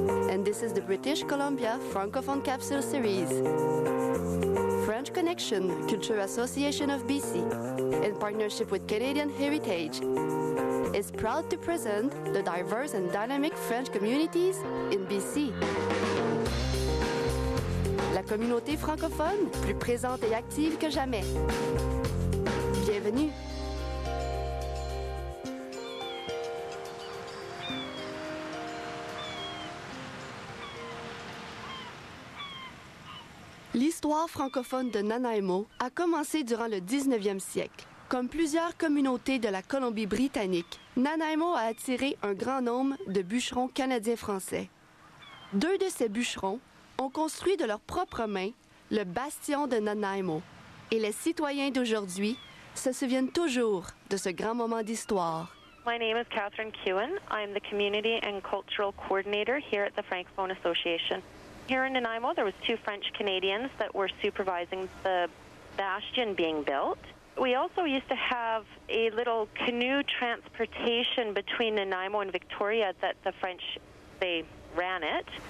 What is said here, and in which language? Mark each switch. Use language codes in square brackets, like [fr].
[en] And this is the British Columbia Francophone Capsule Series. French Connection, Culture Association of BC, in partnership with Canadian Heritage, is proud to present the diverse and dynamic French communities in BC. [fr] La communauté francophone, plus présente et active que jamais. Bienvenue. L'histoire francophone de Nanaimo a commencé durant le 19e siècle. Comme plusieurs communautés de la Colombie-Britannique, Nanaimo a attiré un grand nombre de bûcherons canadiens-français. Deux de ces bûcherons ont construit de leurs propres mains le bastion de Nanaimo. Et les citoyens d'aujourd'hui se souviennent toujours de ce grand moment d'histoire. [en] My name is Catherine Kewen. I'm the Community and Cultural Coordinator here at the Francophone Association. Here in Nanaimo, there was two French Canadians that were supervising the bastion being built. We also used to have a little canoe transportation between Nanaimo and Victoria that the French, they ran it.